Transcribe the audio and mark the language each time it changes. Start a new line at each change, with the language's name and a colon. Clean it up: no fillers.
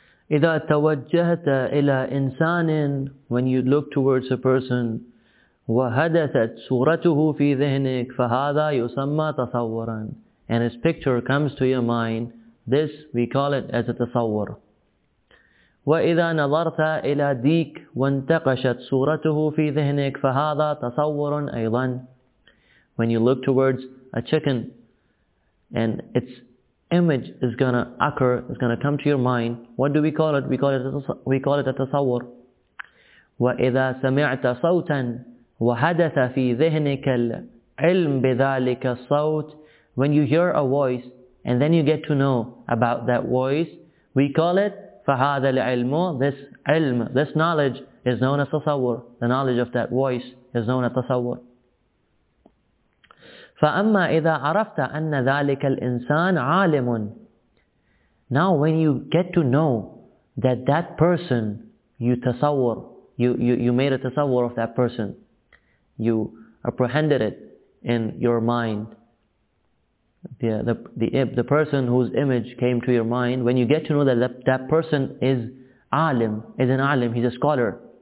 Arabic: إذا توجهت إلى إنسان,
English: when you look towards a person,
Arabic: وحدثت صورته في ذهنك فهذا يسمى تصورا,
English: and his picture comes to your mind, this we call it as a تصور.
Arabic: وإذا نظرت إلى ديك وانتقشت صورته في ذهنك فهذا تصور أيضا.
English: When you look towards a chicken and its image is gonna occur, is gonna come to your mind, what do we call it? We call it a tasawwur.
Arabic: وإذا سمعت صوتا وحدث في ذهنك العلم بذلك الصوت.
English: When you hear a voice and then you get to know about that voice, we call it
Arabic: فهذا العلم.
English: This علم, this knowledge is known as tasawwur. The knowledge of that voice is known as tasawwur.
Arabic: فأما إذا عرفت أن ذلك الإنسان عالم,
English: Now when you get to know that that person, you tasawwur, you made a tasawwur of that person, you apprehended it in your mind, the person whose image came to your mind, when you get to know that that person is alim, is an alim, he's a scholar.